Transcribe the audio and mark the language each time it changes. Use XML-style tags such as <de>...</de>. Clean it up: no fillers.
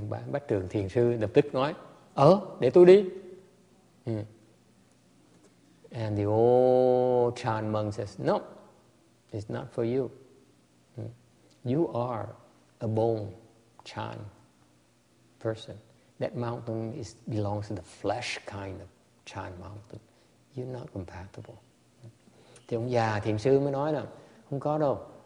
<vi>Bát Trường Thiền Sư lập tức nói, để tôi đi.</vi> <en>And the old Chan monk says, "No, it's not for you. You are a bone Chan person. That mountain belongs to the flesh kind of Chan mountain. You're not compatible."</en> <vi>Thì ông già thiền sư mới nói là không có đâu.</vi>